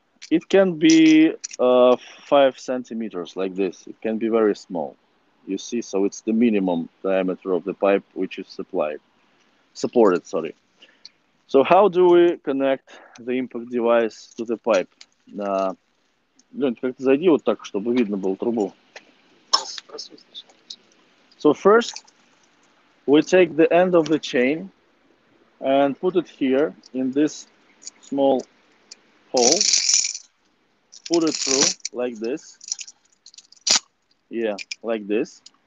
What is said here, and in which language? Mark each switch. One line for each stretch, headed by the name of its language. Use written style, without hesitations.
English: It can be 5 centimeters, like this. It can be very small. You see, so it's the minimum diameter of the pipe which is supplied. Supported, sorry. So how do we connect the impact device to the pipe?
Russian: Лёнь, как-то зайди вот так, чтобы видно было трубу.
English: So first, we take the end of the chain and put it here in this small hole. Put it through like this. Yeah, like this.